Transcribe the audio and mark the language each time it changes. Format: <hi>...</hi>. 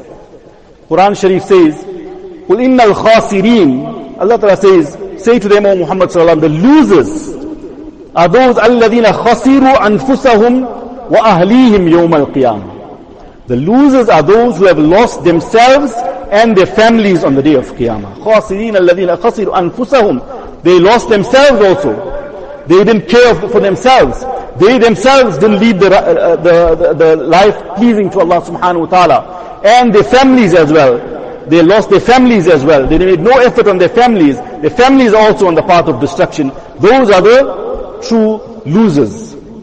<en>Quran Sharif says, "Qul innal khasirin," Allah Ta'ala says, "Say to them, O Muhammad sallallahu alaihi wasallam, the losers are those alladhina khasiru anfusahum wa ahlihim yawm al-qiyam." The losers are those who have lost themselves and their families on the day of Qiyamah.</en> <ar>خاسرين الذين خسروا أنفسهم.</ar> <en>They lost themselves also. They didn't care for themselves. They themselves didn't lead the life pleasing to Allah subhanahu wa ta'ala. And their families as well. They lost their families as well. They made no effort on their families. Their families are also on the path of destruction. Those are the true losers.</en>